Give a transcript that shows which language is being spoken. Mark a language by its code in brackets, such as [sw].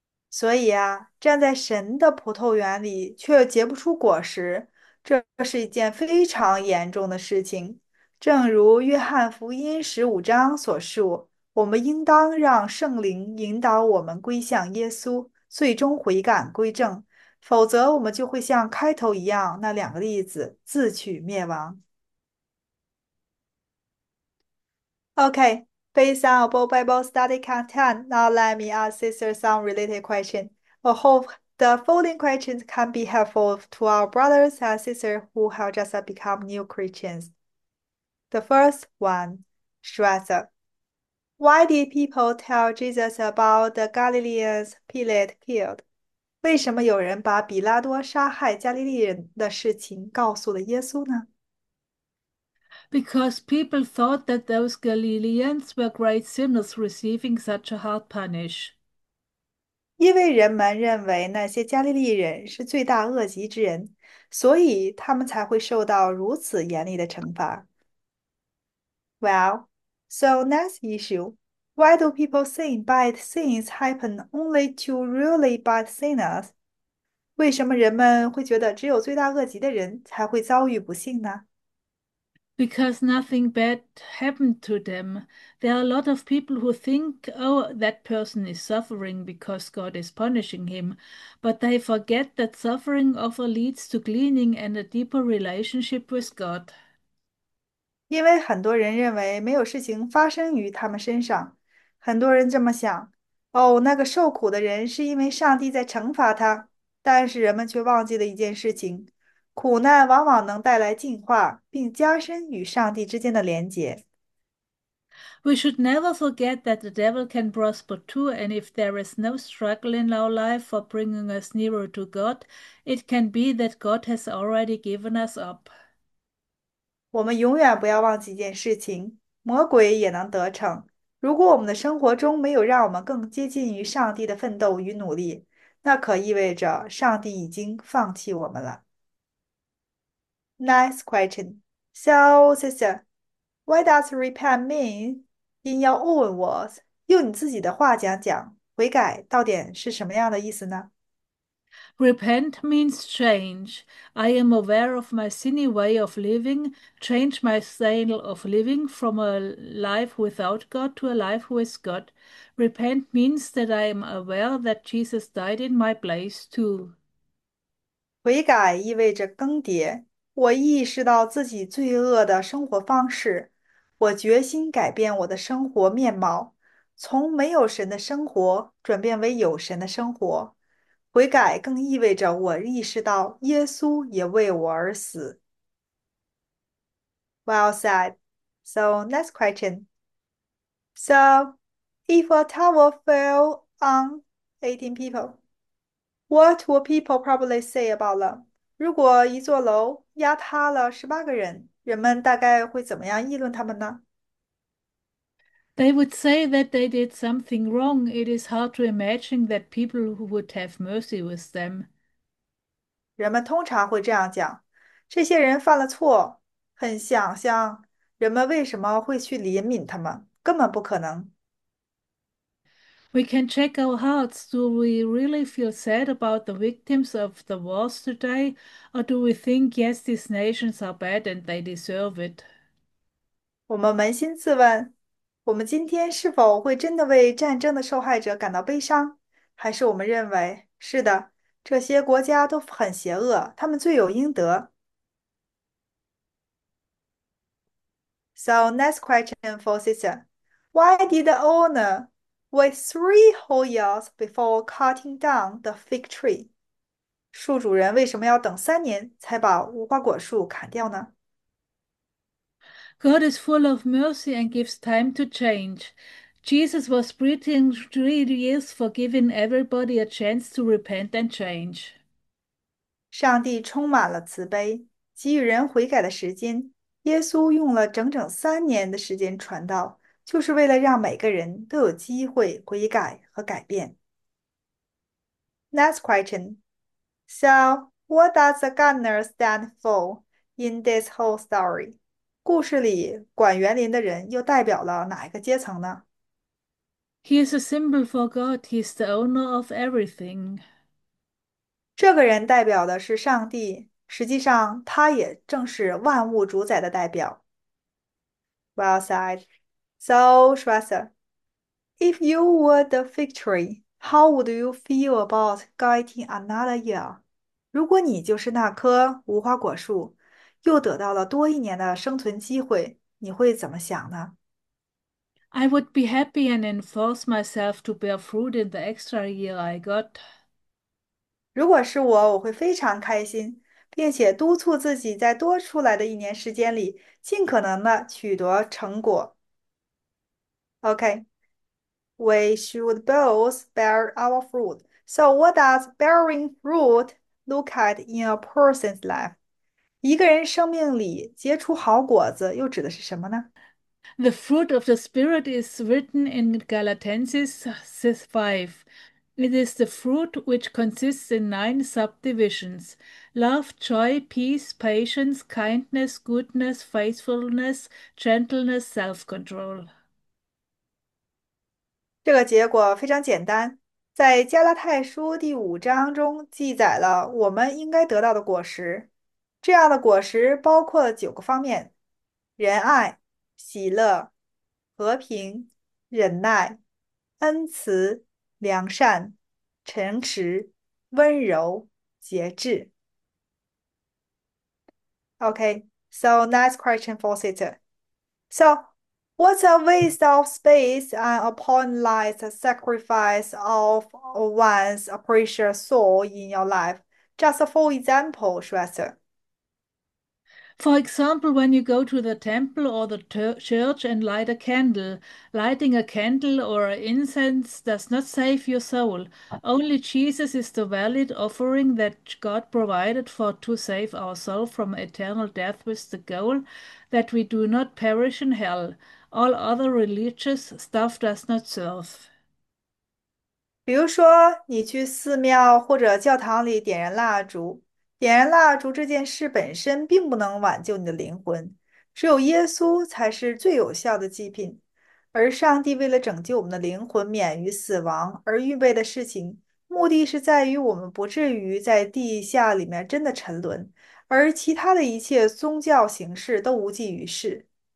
[zh] 所以啊，站在神的葡萄园里却结不出果实，这是一件非常严重的事情。正如约翰福音15章所述，我们应当让圣灵引导我们归向耶稣，最终悔改归正，否则我们就会像开头一样，那两个例子自取灭亡。 [en] OK。 Based on our Bible study content, now let me ask sister some related questions. I hope the following questions can be helpful to our brothers and sisters who have just become new Christians. The first one, Shraza. Why did people tell Jesus about the Galileans Pilate killed? [zh] 为什么有人把比拉多杀害加利利人的事情告诉了耶稣呢？ [en] Because people thought that those Galileans were great sinners receiving such a hard punish. [zh] 因为人们认为那些加利利人是罪大恶极之人，所以他们才会受到如此严厉的惩罚。 [en] Well, so next issue, why do people think bad things happen only to really bad sinners? [zh] 为什么人们会觉得只有罪大恶极的人才会遭遇不幸呢？ [en] Because nothing bad happened to them. There are a lot of people who think, oh, that person is suffering because God is punishing him, but they forget that suffering often leads to cleaning and a deeper relationship with God. [zh] 因为很多人认为没有事情发生于他们身上，很多人这么想，哦，那个受苦的人是因为上帝在惩罚他，但是人们却忘记了一件事情，苦难往往能带来净化，并加深与上帝之间的连结。 [en] We should never forget that the devil can prosper too, and if there is no struggle in our life for bringing us nearer to God, it can be that God has already given us up. [zh] 我们永远不要忘记一件事情，魔鬼也能得逞。如果我们的生活中没有让我们更接近于上帝的奋斗与努力，那可意味着上帝已经放弃我们了。 [en] Next question. So, sister, what does repent mean in your own words? [zh] 用你自己的话讲讲，悔改到底是什么样的意思呢？ [en] Repent means change. I am aware of my sinny way of living, change my style of living from a life without God to a life with God. Repent means that I am aware that Jesus died in my place too. [zh] 悔改意味着更迭，我意识到自己罪恶的生活方式，我决心改变我的生活面貌，从没有神的生活转变为有神的生活。悔改更意味着我意识到耶稣也为我而死。 [en] Well said. So next question. So, if a tower fell on 18 people. What will people probably say about them? [zh] 如果一座楼压塌了18个人，人们大概会怎么样议论他们呢？ [en] They would say that they did something wrong. It is hard to imagine that people would have mercy with them. [zh] 人们通常会这样讲：这些人犯了错，很想象人们为什么会去怜悯他们，根本不可能。 [en] We can check our hearts. Do we really feel sad about the victims of the wars today? Or do we think, yes, these nations are bad and they deserve it? [zh] 我们扪心自问：我们今天是否会真的为战争的受害者感到悲伤？还是我们认为，是的，这些国家都很邪恶，他们罪有应得。 [en] So, next question for Sisson. Why did the owner wait 3 whole years before cutting down the fig tree? [zh] 树主人为什么要等3年才把无花果树砍掉呢？ [en] God is full of mercy and gives time to change. Jesus was preaching 3 years for giving everybody a chance to repent and change. [zh] 上帝充满了慈悲，给予人悔改的时间。耶稣用了整整3年的时间传道，就是为了让每个人都有机会悔改和改变。 [en] Next question. So, what does the gardener stand for in this whole story? [zh] 故事里管园林的人又代表了哪一个阶层呢？ [en] He is a symbol for God. He is the owner of everything. [zh] 这个人代表的是上帝，实际上他也正是万物主宰的代表。 [en] Well said. So, Schweitzer, if you were the fig tree, how would you feel about getting another year? [zh] 如果你就是那棵无花果树，又得到了多一年的生存机会，你会怎么想呢？ [en] I would be happy and enforce myself to bear fruit in the extra year I got. [zh] 如果是我，我会非常开心，并且督促自己在多出来的一年时间里，尽可能的取得成果。 [en] OK，we should both bear our fruit. So, what does bearing fruit look at in a person's life? [zh] 一个人生命里结出好果子又指的是什么呢？ [en] The fruit of the Spirit is written in Galatians 5. It is the fruit which consists in 9 subdivisions: love, joy, peace, patience, kindness, goodness, faithfulness, gentleness, self-control. [zh] 这个结果非常简单，在加拉太书第5章中记载了我们应该得到的果实。这样的果实包括了9个方面：仁爱、喜乐、和平、忍耐、恩慈、良善、诚实、温柔、节制。 [en] OK, so next question for sitter. So, what's a waste of space and upon life a sacrifice of one's precious soul in your life? Just for example, Schweitzer. For example, when you go to the temple or the church and light a candle, lighting a candle or an incense does not save your soul. Only Jesus is the valid offering that God provided for to save our soul from eternal death with the goal that we do not perish in hell. All other religious stuff does not serve. [zh] 比如说，你去寺庙或者教堂里点燃蜡烛，点燃蜡烛这件事本身并不能挽救你的灵魂，只有耶稣才是最有效的祭品。而上帝为了拯救我们的灵魂免于死亡而预备的事情，目的是在于我们不至于在地下里面真的沉沦，而其他的一切宗教形式都无济于事。